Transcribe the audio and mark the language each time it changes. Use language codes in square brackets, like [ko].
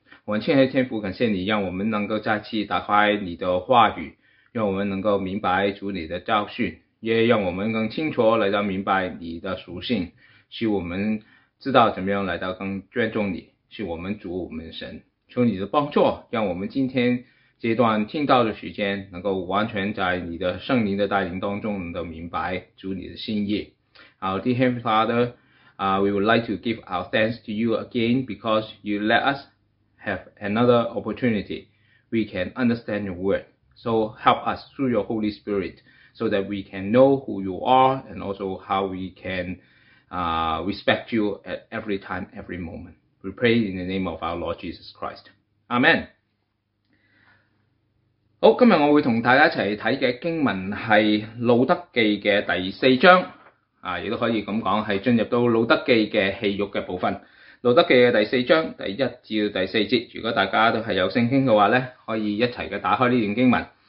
[zh] 我们亲爱的天父，感谢你让我们能够再次打开你的话语，让我们能够明白主你的教训，也让我们更清楚来到明白你的属性，使我们知道怎么样来到更尊重你，是我们主我们神。求你的帮助，让我们今天这段听到的时间能够完全在你的圣灵的带领当中能够明白主你的心意。 [en] Our dear Heavenly Father, we would like to give our thanks to you again because you let us have another opportunity we can understand your word. So help us through your Holy Spirit so that we can know who you are and also how we can respect you at every time, every moment. We pray in the name of our Lord Jesus Christ. Amen. [zh] 好，今天我会和大家一起看的经文是路德记的第四章，也都可以这么说，是进入到路德记的气欲的部分。路德记的第四章第一至第四节，如果大家都是有圣经的话，可以一起打开这段经文。